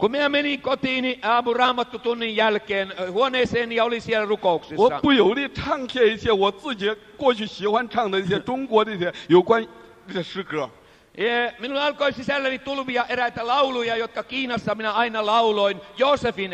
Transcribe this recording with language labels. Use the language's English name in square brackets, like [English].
[Finnish] kun minä menin kotiini aamuraamattutunnin jälkeen huoneeseen ja oli siellä rukouksissa， [Chinese] 我不由得唱起一些我自己过去喜欢唱的一些中国的一些有关的诗歌。 [Finnish] Minulla alkoi sisälläni tulvia eräitä lauluja, jotka Kiinassa minä aina lauloin Joosefin